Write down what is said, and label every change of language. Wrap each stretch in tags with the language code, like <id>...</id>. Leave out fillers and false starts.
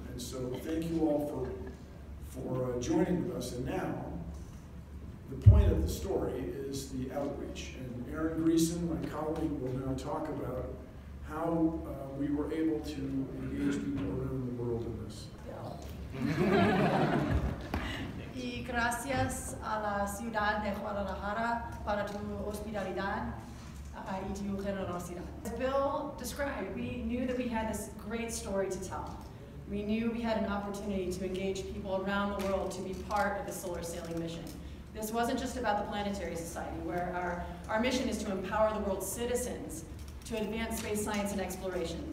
<en>And so thank you all for joining with us. And now, the point of the story is the outreach. And Aaron Greeson, my colleague, will now talk about how we were able to engage people around the world in this.</en> <es>Y gracias a la ciudad de Guadalajara para tu hospitalidad y tu generosidad.</es> <en>As Bill described, we knew that we had this great story to tell. We knew we had an opportunity to engage people around the world to be part of the solar sailing mission. This wasn't just about the Planetary Society, where our mission is to empower the world's citizens to advance space science and exploration.</en>